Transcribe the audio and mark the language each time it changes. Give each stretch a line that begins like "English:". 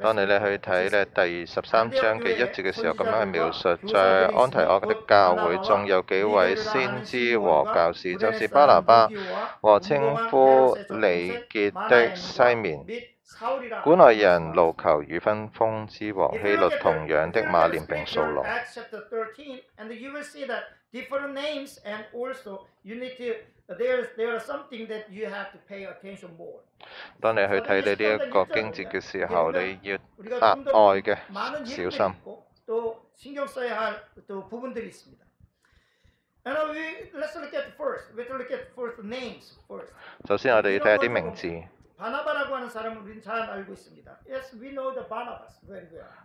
Cantonese: 當你咧去睇咧第十三章嘅一節嘅時候，咁樣去描述，在安提柯的教會中有幾位先知和教士，就是巴拿巴和稱呼尼結的西面。古內人盧求與分封之王希律同樣的馬連並掃羅。
English: Acts chapter 13, and you will see that different names, and also you need to there are something that you have to pay attention more.
Cantonese: 當你去睇你呢一個經節嘅時候，你要額外嘅小心。
Korean: 또신경써야할또부분들이있습니다
English: And let's look at first. Let's look at first names first.
Cantonese: 首先，我哋要睇下啲名字。
Korean: 바나바라고하는사람은우리는잘알고있습니다
English: Yes, we know the Barnabas very well.